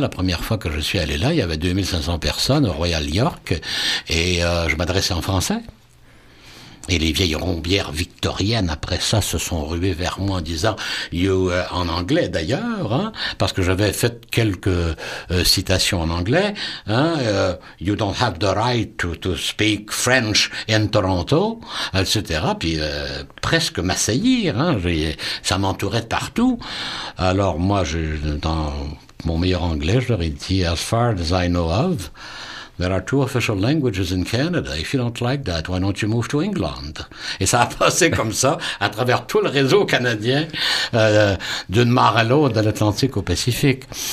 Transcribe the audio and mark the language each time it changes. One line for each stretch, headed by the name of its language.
French: La première fois que je suis allé là, il y avait 2500 personnes au Royal York et je m'adressais en français. Et les vieilles rombières victoriennes, après ça, se sont ruées vers moi en disant « you » en anglais, d'ailleurs, hein, parce que j'avais fait quelques citations en anglais. Hein, «
English: You don't have the right to speak French in Toronto
French: », etc. Puis presque m'assaillir, hein, ça m'entourait partout. Alors moi, dans mon meilleur anglais, je leur ai dit «
English: as far as I know of ». There are two official languages in Canada. If you don't like that, why don't you move to England?
French: Et ça a passé comme ça à travers tout le réseau canadien, d'une mare à l'autre, de l'Atlantique au Pacifique.